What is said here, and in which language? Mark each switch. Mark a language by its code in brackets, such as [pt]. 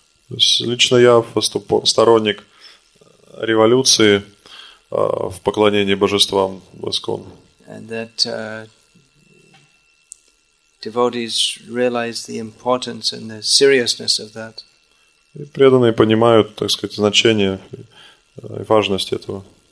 [ru] Лично я сторонник революции в поклонении божествам в ISKCON. [en] And that devotees realize the importance and the seriousness of that. [ru] И преданные понимают, так сказать, значение и важность этого.